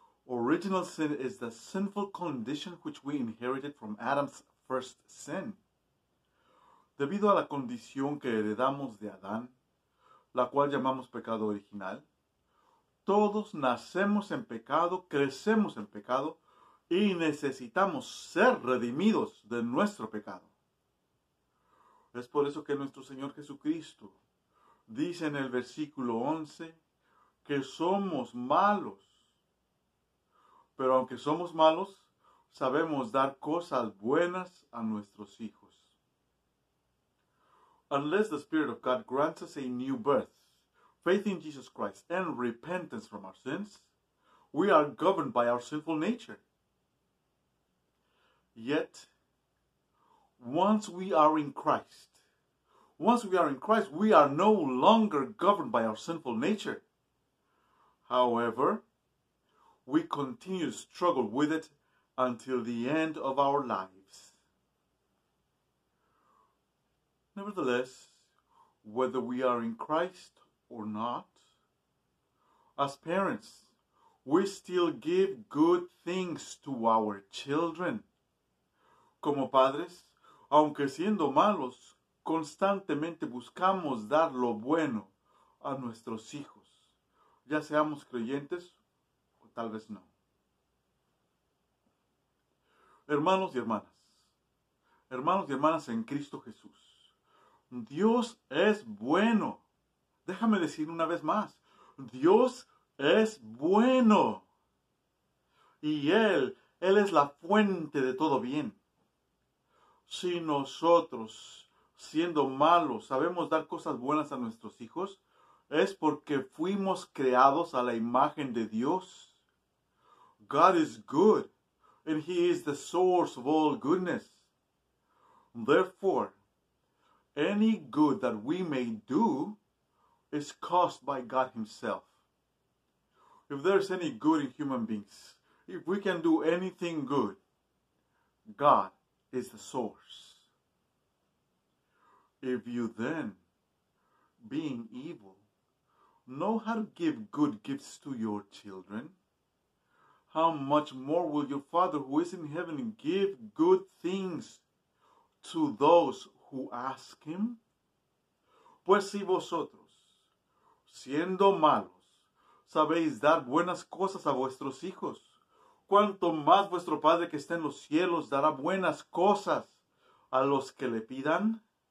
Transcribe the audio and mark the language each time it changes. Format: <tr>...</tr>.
<en>Original sin is the sinful condition which we inherited from Adam's first sin.</en> <es>Debido a la condición que heredamos de Adán, la cual llamamos pecado original, todos nacemos en pecado, crecemos en pecado, y necesitamos ser redimidos de nuestro pecado. Es por eso que nuestro Señor Jesucristo dice en el versículo 11 que somos malos. Pero aunque somos malos, sabemos dar cosas buenas a nuestros hijos.</es> <en>Unless the Spirit of God grants us a new birth, faith in Jesus Christ, and repentance from our sins, we are governed by our sinful nature. Yet, once we are in Christ, we are no longer governed by our sinful nature. However, we continue to struggle with it until the end of our lives. Nevertheless, whether we are in Christ or not, as parents, we still give good things to our children.</en> <es>Como padres, aunque siendo malos, constantemente buscamos dar lo bueno a nuestros hijos, ya seamos creyentes o tal vez no. Hermanos y hermanas en Cristo Jesús, Dios es bueno. Déjame decir una vez más, Dios es bueno. Y Él es la fuente de todo bien. Si nosotros, siendo malos, sabemos dar cosas buenas a nuestros hijos, es porque fuimos creados a la imagen de Dios.</es> <en>God is good, and He is the source of all goodness. Therefore, any good that we may do is caused by God Himself. If there's any good in human beings, if we can do anything good, God is the source. If you then, being evil, know how to give good gifts to your children, how much more will your Father who is in heaven give good things to those who ask Him?</en> <es>Pues si vosotros, siendo malos, sabéis dar buenas cosas a vuestros hijos, ¿cuánto más vuestro Padre que está en los cielos dará buenas cosas a los que le pidan?</es>